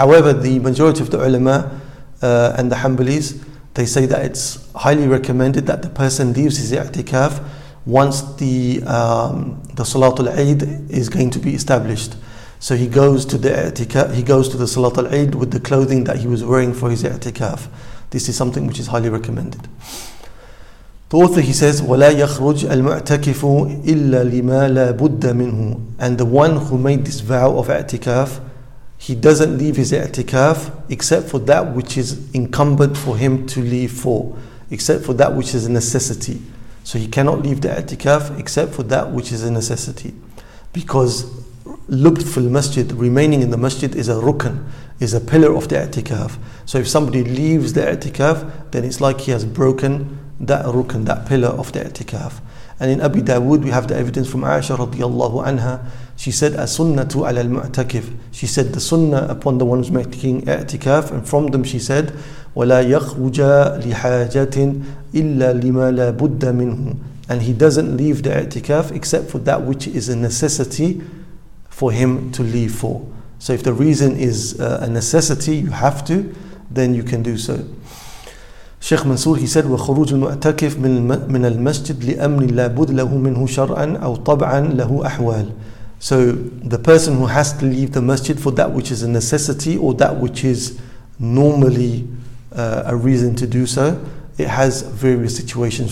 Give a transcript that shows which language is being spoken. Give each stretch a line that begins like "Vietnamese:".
English: However, the majority of the ulama and the Hanbalis, they say that it's highly recommended that the person leaves his i'tikaf once the Salatul Eid is going to be established. So he goes to the i'tikaf, he goes to the Salatul Eid with the clothing that he was wearing for his i'tikaf. This is something which is highly recommended. The author, he says,
Arabic: وَلَا يَخْرُجَ الْمُعْتَكِفُ إِلَّا لِمَا لَا بُدَّ مِنْهُ.
English: And the one who made this vow of i'tikaf, he doesn't leave his i'tikaf except for that which is incumbent for him to leave for, except for that which is a necessity. So he cannot leave the i'tikaf except for that which is a necessity. Because lubth fil masjid, remaining in the masjid, is a rukn, is a pillar of the i'tikaf. So if somebody leaves the i'tikaf, then it's like he has broken that rukn, that pillar of the i'tikaf. And in Abi Dawood, we have the evidence from Aisha radiallahu anha. She said,
Arabic: As-sunnatu ala al-mu'takif.
English: She said, the sunnah upon the one who's making i'tikaf. And from them she said,
Arabic: وَلَا يَخْرُجَ لِحَاجَةٍ إِلَّا لِمَا لَا بُدَّ مِنْهُ.
English: And he doesn't leave the i'tikaf except for that which is a necessity for him to leave for. So if the reason is a necessity, you have to, then you can do so. Sheikh Mansour, he said,
Arabic: وَخُرُوجُ الْمُعْتَكِفِ مِنَ الْمَسْجِدِ لِأَمْنٍ لَا بُدْ لَهُ مِنْهُ شَرْعًا أَوْ طَبْعًا لَهُ أَحْوَالٍ.
English: So the person who has to leave the masjid for that which is a necessity or that which is normally a reason to do so, it has various situations.